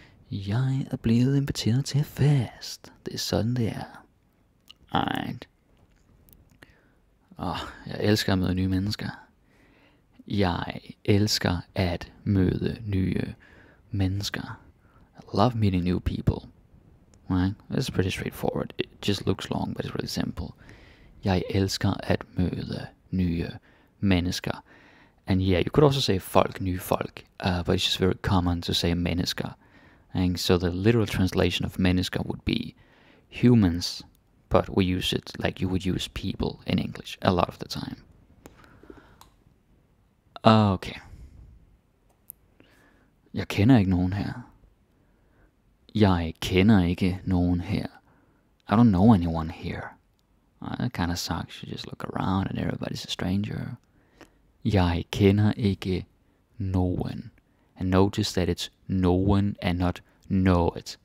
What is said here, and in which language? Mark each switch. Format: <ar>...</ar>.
<da>Jeg blevet inviteret til fest. Det er sådan, det er. Alright. Åh, jeg elsker at møde nye mennesker. Jeg elsker at møde nye mennesker.</da> <en>I love meeting new people. Right? It's pretty straightforward. It just looks long, but it's really simple.</en> <da>Jeg elsker at møde nye mennesker.</da> <en>And yeah, you could also say folk, new folk. But it's just very common to say mennesker. And so the literal translation of mennesker would be humans. But we use it like you would use people in English a lot of the time. Okay.</en> <da>Jeg kender ikke nogen her. Jeg kender ikke nogen her.</da> <en>I don't know anyone here. That kind of sucks. You just look around and everybody's a stranger.</en> <da>Jeg kender ikke nogen.</da> <en>And notice that it's nogen and not know it.</en>